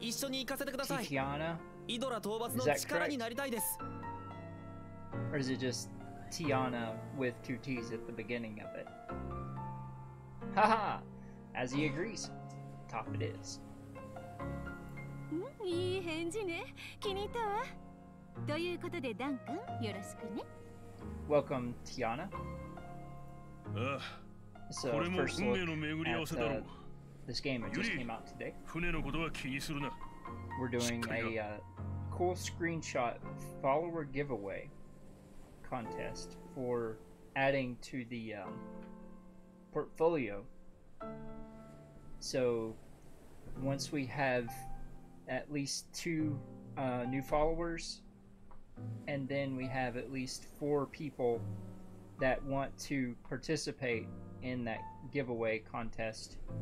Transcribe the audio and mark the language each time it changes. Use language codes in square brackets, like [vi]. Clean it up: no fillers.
[ja] 一緒に行かせてください。ティティアナ。イドラ討伐の力になりたいです。 [en] Or is it just Tiana with two T's at the beginning of it? Haha! As he agrees, top it is. [ja] いい返事ね。気に入ったわ。ということで、ダン君、よろしくね。 [en] Welcome, Tiana. [ja] ああ、これも運命の巡り合わせだろう。 [en] This game just came out today. [ja] 船のことは気にするな。 [en] We're doing a cool screenshot follower giveaway contest for adding to the portfolio. So once we have at least two new followers, and then we have at least four people that want to participate in that giveaway contest.